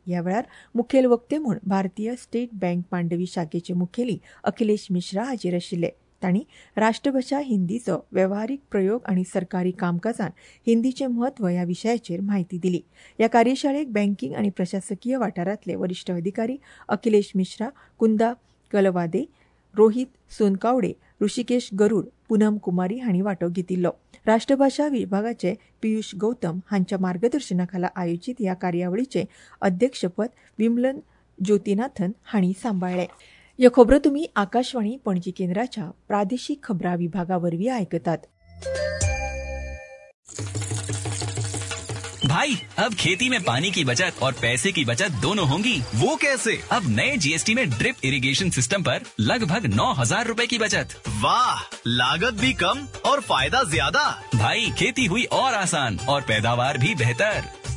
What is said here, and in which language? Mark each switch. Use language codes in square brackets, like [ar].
[gom] ह्या वेळार मुखेल वक्ते म्हूण भारतीय स्टेट बँक मांडवी शाखेचे मुखेली अखिलेश मिश्रा हाजीर आशिल्ले. तांणी राष्ट्रभाषा हिंदीचो वेव्हारीक प्रयोग आनी सरकारी कामकाजांत हिंदीचे म्हत्व ह्या विशयाचेर म्हायती दिली. ह्या कार्यशाळेक बँकींग आनी प्रशासकीय वाठारातले वरिष्ठ अधिकारी अखिलेश मिश्रा, कुंदा कलवादे, रोहित सोनकावडे, ऋषिकेश गरुड, पुनम कुमारी हांणी वांटो घेतिल्लो. राष्ट्रभाषा विभागाचे पियुश गौतम हांच्या मार्गदर्शनाखाला आयोजित ह्या कार्यावळीचे अध्यक्षपद विमलन ज्योतिनाथन हांणी सांभाळले. ह्यो खबरो तुमी आकाशवाणी पणजी केंद्राच्या प्रादेशिक खबरां विभागावरवी आयकतात. [hi] भाई, अब खेती में पानी की बचत और पैसे की बचत दोनों होंगी. वो कैसे? अब नए जीएसटी में ड्रिप इरिगेशन सिस्टम पर लगभग 9,000 रुपए की बचत. वाह, लागत भी कम और फायदा ज्यादा. भाई, खेती हुई और आसान और पैदावार भी बेहतर.